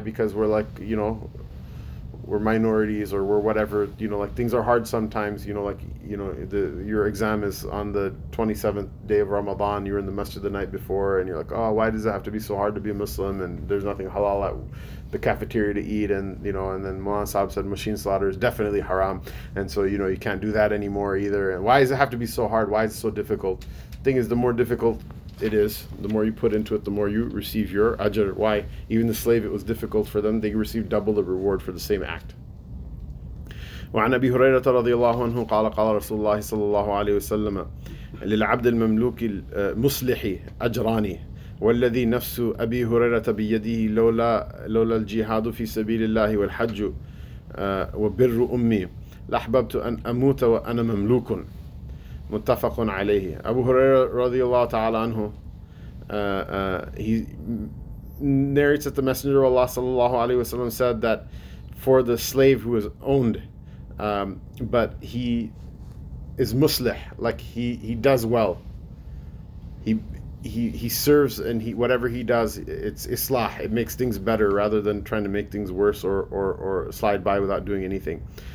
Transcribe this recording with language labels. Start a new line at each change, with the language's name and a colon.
English: Because we're like, you know, we're minorities or we're whatever, you know, like things are hard sometimes, you know, like, you know, your exam is on the 27th day of Ramadan, you're in the masjid the night before, and you're like, oh, why does it have to be so hard to be a Muslim, and there's nothing halal at the cafeteria to eat, and, you know, and then Mawlana Sahib said machine slaughter is definitely haram, and so, you know, you can't do that anymore either, and why does it have to be so hard, why is it so difficult? Thing is, the more difficult it is, the more you put into it, the more you receive your ajr. Why? Even the slave, it was difficult for them, they received double the reward for the same act.
Arabic: وعن أبي هريرة رضي الله عنه قال قال رسول الله صلى الله عليه وسلم للعبد المملوك المصلح أجراني والذي نفس أبي هريرة بيده لولا الجهاد في سبيل الله والحج وبر أمي لأحببت أن أموت وأنا مملوك. متفق عليه.
English: Abu Huraira radiallahu ta'ala anhu, he narrates that the Messenger of Allah sallallahu alayhi wa sallam said that for the slave who is owned, but he is muslih, like he does well, he serves, and he whatever he does, it's islah, it makes things better rather than trying to make things worse or slide by without doing anything.